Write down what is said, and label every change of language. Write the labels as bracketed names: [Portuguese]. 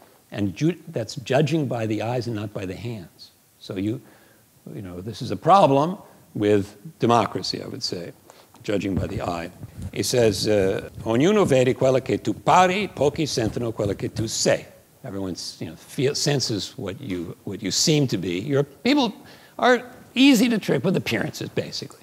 [English] That's judging by the eyes and not by the hands. So this is a problem with democracy, I would say, judging by the eye. He says, [Italian] ognuno vede quello che tu pari, pochi sentono quello che tu sei. [English] Everyone senses what you seem to be. Your people are easy to trick with appearances, basically.